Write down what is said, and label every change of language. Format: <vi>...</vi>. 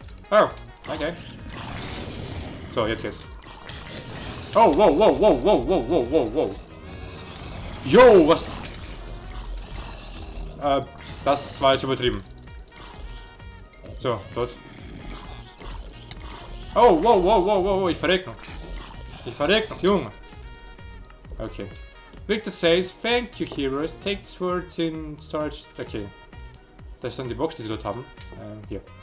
<de>Oh, okay. So, jetzt geht's. Oh, wow, wow, wow, wow, wow, wow, wow, wow. Yo, was? Das war jetzt übertrieben. So, tot. Oh, wow, wow, wow, wow, wow, ich verreck noch. Ich verreck noch, Junge. Okay.</de> <en>Victor says, thank you, heroes. Take these words in storage.</en> <de>Okay. Das ist dann die Box, die sie dort haben. Hier.</de>